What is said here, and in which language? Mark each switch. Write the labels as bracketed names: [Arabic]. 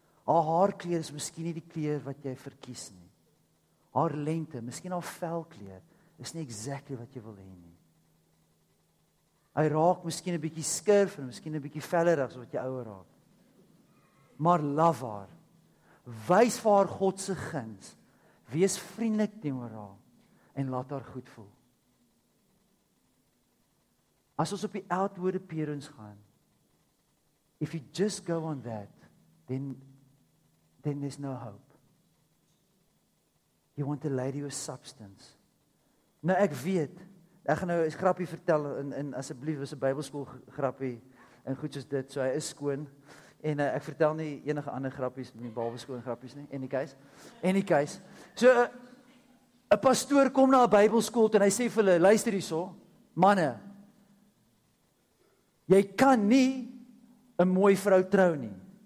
[Afrikaans] Haar haarkleur is miskien nie die kleur wat jy verkies nie. Haar lengte, miskien haar velkleur, is nie exactly wat jy wil hê nie. Hy raak miskien 'n bietjie skurf en miskien 'n bietjie vellerig as wat jy ouer raak. Maar love haar. Wys vir haar God se guns. Wees vriendelik teenoor haar en laat haar goed voel. As ons op die outward appearance gaan, [English] if you just go on that, then there's no hope. You want a lady with substance. [Afrikaans] Nou ek weet, ek gaan nou 'n grappie vertel en asseblief is 'n Bybelskool grappie en goed soos dit, so hy is skoon. En ek vertel nie enige ander grappies nie, behalwe skoon grappies nie. [English] Any case. [Afrikaans] So, 'n pastoor kom na 'n Bybelskool en hy sê vir hulle, luister hierso, manne, jy kan nie 'n mooi vrou trou nie.